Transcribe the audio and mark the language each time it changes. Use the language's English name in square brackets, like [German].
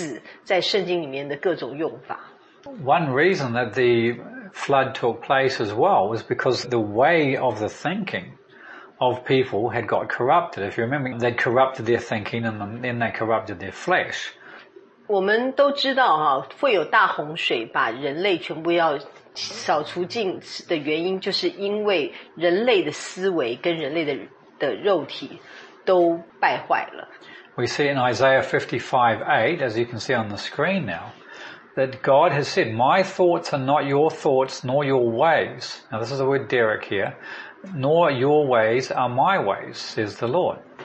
[Chinese] 好，但我们现在呢，King还想要再跟大家再多说一些，就是这个道这个字在圣经里面的各种用法。 [English] One reason that the flood took place as well was because the way of the thinking of people had got corrupted. If you remember, they corrupted their thinking and then they corrupted their flesh. [Chinese] 我们都知道会有大洪水把人类全部要扫除净的原因就是因为人类的思维跟人类的肉体都败坏了。 [English] We see in Isaiah 55:8, as you can see on the screen now, that God has said, my thoughts are not your thoughts, nor your ways. Now this is the word derech here. Nor your ways are my ways, says the Lord.